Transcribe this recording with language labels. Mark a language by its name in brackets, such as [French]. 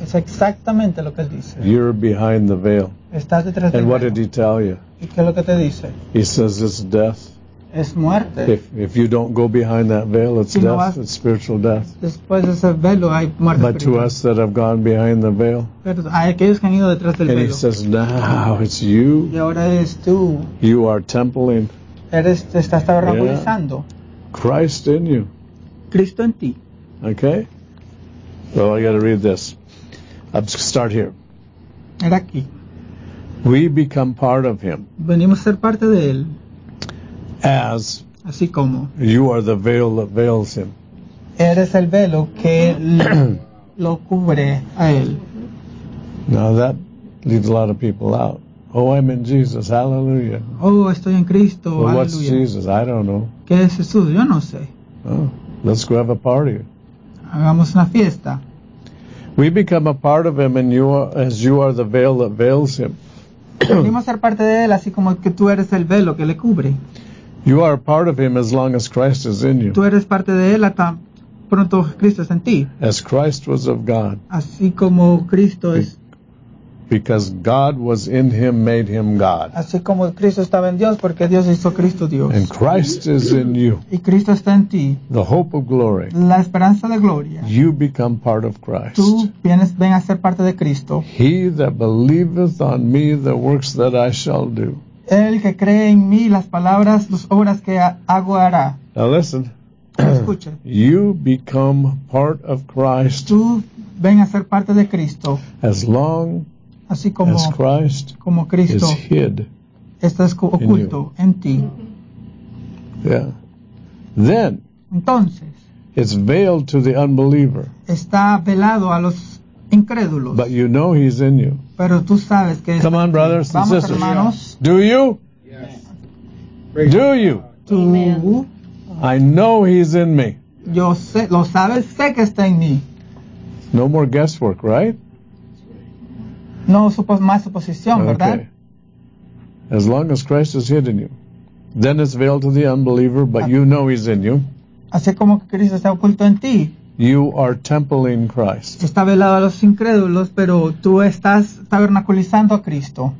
[Spanish] Es exactamente lo que él dice. [English] You're behind the veil. [Spanish] Estás detrás del velo. [English] And what did he tell you? [Spanish] ¿Y qué es lo que te dice? [English] He says it's death. [Spanish] Es muerte. [English] If you don't go behind that veil, it's death. [Spanish] No vas, [English] it's spiritual death. [Spanish] Después de ese velo hay muerte. [English] But to us that have gone behind the veil. [Spanish] Pero a aquellos que han ido detrás del velo. [English] And he says, now it's you. [Spanish] Y ahora eres tú. [English] You are templing. [Spanish] Eres, te estás trabajando. [English] Christ in you. [Spanish] Cristo en ti. [English] Okay. Well, I got to read this. Let's start here. [Spanish] Era aquí. [English] We become part of him. [Spanish] Venimos a ser parte de él. [English] As [Spanish] así como [English] you are the veil that veils him. [Spanish] Eres el velo que lo cubre a él. [English] Now that leaves a lot of people out. Oh, I'm in Jesus. Hallelujah. [Spanish] Oh, estoy en Cristo. [English] Well, what's Jesus? I don't know. [Spanish] ¿Qué es Jesús? Yo no sé. [English] Oh, let's go have a party. [Spanish] Hagamos una fiesta. [English] We become a part of him, and you are, as you are the veil that veils him. [Spanish] Venimos a ser parte de él, así como que tú eres el velo que le cubre. [English] You are a part of him as long as Christ is in you. [Spanish] Tú eres parte de él hasta pronto Cristo es en ti. [English] As Christ was of God. [Spanish] Así como Cristo es. [English] Because God was in him, made him God. [Spanish] Así como Cristo estaba en Dios, porque Dios hizo Cristo Dios. [English] And Christ is in you. [Spanish] Y Cristo está en ti. [English] The hope of glory. [Spanish] La esperanza de gloria. [English] You become part of Christ. [Spanish] Tú vienes, ven a ser parte de Cristo. [English] He that believeth on me, the works that I shall do. [Spanish] El que cree en mí, las palabras, las obras que hago hará. [English] Now listen. [Spanish] Escucha. [English] You become part of Christ. [Spanish] Tú ven a ser parte de Cristo. [English] As long [Spanish] así como, [English] as Christ [Spanish] como Cristo [English] is hid [Spanish] estás oculto [English] in you. [Spanish] En ti. [English] Yeah. Then [Spanish] entonces, [English] it's veiled to the unbeliever. [Spanish] Está velado a los incrédulos. [English] But you know he's in you. [Spanish] Pero tú sabes que [English] come on, brothers and sisters. [Spanish] Vamos, hermanos. [English] Do you? Yes. Do you? [Spanish] Tú. [English] I know he's in me. [Spanish] Yo sé, lo sabes, sé que está en mí. [English] No more guesswork, right? [Spanish] No más suposición, [English] okay. [Spanish] ¿Verdad? [English] As long as Christ is hidden in you. Then it's veiled to the unbeliever, but you know he's in you. [Spanish] Así como que Cristo está oculto en ti. [English] You are templing Christ. [Spanish] Está velado a los incrédulos, pero tú estás tabernaculizando a Cristo.